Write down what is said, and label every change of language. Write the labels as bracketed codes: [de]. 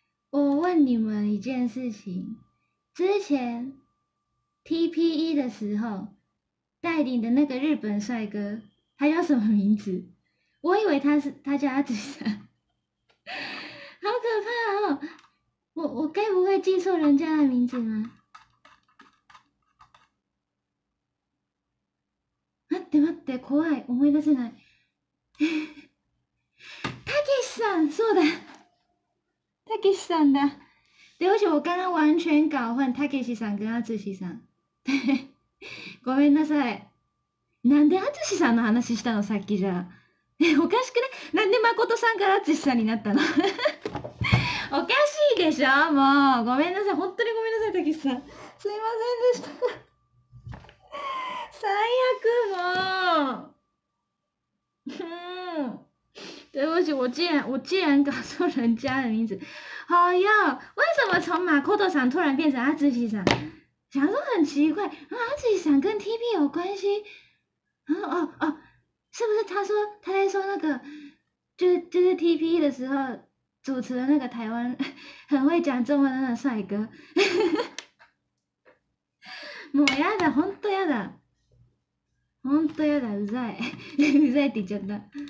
[zh] 我问你们一件事情，之前 TPE 的时候，带领的那个日本帅哥，他叫什么名字？我以为他叫阿紫山，好可怕哦！我该不会记错人家的名字吗？ [ja] 待って、怖い、思い出せない。たけしさん、そうだ。たけしさんだ。 [zh] 对不起，我刚刚完全搞混たけしさん跟あつしさん。 [ja] 对，ごめんなさい。なんであつしさんの話したの、さっきじゃ。おかしくない？なんでまことさんからあつしさんになったの？おかしいでしょ、もう。ごめんなさい。本当にごめんなさい、たけしさん。すいませんでした。最悪、もう。 [zh] 对不起，我竟然搞错人家的名字，好呀！为什么从马库托桑突然变成阿兹西桑？想说很奇怪，阿兹西桑跟 TP 有关系？是不是他在说那个，就是 TP 的时候主持的那个台湾很会讲中文的那个帅哥？ [ja] もうやだ、本当やだ、本当やだ、うざい、うざいって言っちゃった。